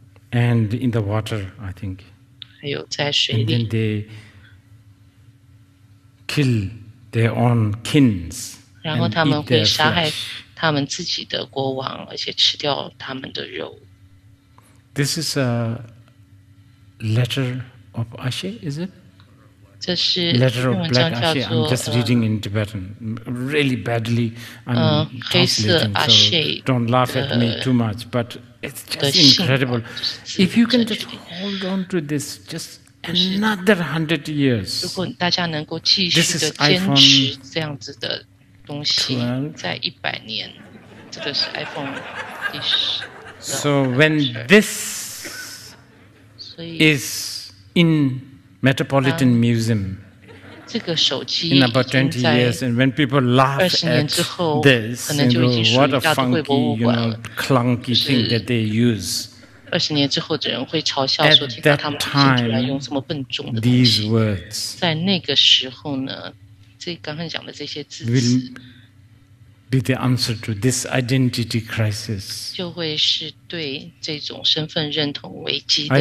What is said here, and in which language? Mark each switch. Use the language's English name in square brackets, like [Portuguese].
[English] ，and in the water, I think. [Chinese] 还有在水里。 [English] And then they kill their own kings. [Chinese] 然后他们会杀害他们自己的国王，而且吃掉他们的肉。 [English] This is a letter of Ashe, is it? [Chinese] 这是 [English] Letter of Black Ashe. I'm just reading in Tibetan, really badly. I'm translating, so don't laugh at me too much. But it's just incredible. If you can just hold on to this, just another 100 years. [Chinese] 如果大家能够继续的坚持这样子的东西，在一百年，这个是 iPhone 10。 [English] So when this is in Metropolitan Museum. In about 20 years, and when people laugh at this, you know, what a funky, you know, clunky thing that they use. [Chinese] 二十年之后的人会嘲笑说：“听到他们竟然用这么笨重的东西。” 在那个时候呢，这刚才讲的这些字词 [English] will be the answer to this identity crisis. [Chinese] 就会是对这种身份认同危机的